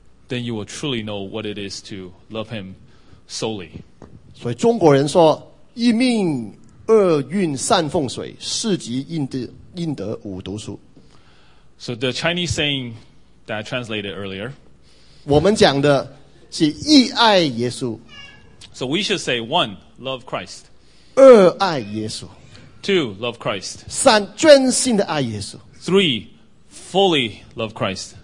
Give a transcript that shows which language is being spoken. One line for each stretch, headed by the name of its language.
English: Then you will truly know what it is to love him solely.
Chinese: 所以中国人说一命二运三风水，四积阴德五读书。
English: So the Chinese saying that I translated earlier,
Chinese: 我们讲的是一爱耶稣。
English: So we should say one, love Christ.
Chinese: 二爱耶稣。
English: Two, love Christ.
Chinese: 三专心的爱耶稣。
English: Three, fully love Christ.